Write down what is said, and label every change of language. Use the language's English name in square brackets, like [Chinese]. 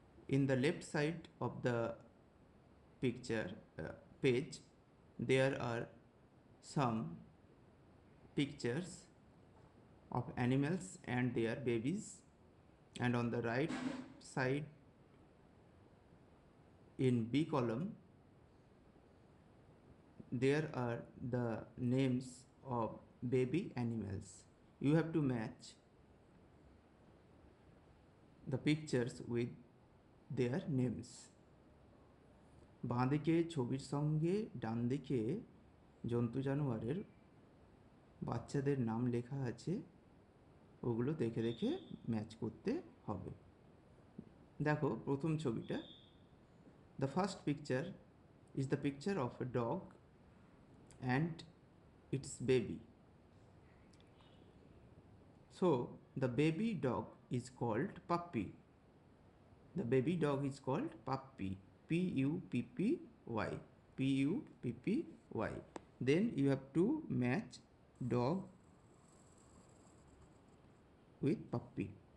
[English] In the left side of the picture page there are some pictures of animals and their babies, and on the right side in B column there are the names of baby animals. You have to match the pictures with their names. [Bangla] বাঁ দিকে ছবির সঙ্গে ডান দিকে জন্তু জানোয়ারের বাচ্চাদের নাম লেখা আছে, ওগুলো দেখে দেখে ম্যাচ করতে হবে। দেখো প্রথম ছবিটা, [English] The first picture is the picture of a dog and it's baby. So the baby dog is called puppy. The baby dog is called puppy. P-U-P-P-Y. P-U-P-P-Y. Then you have to match dog with puppy.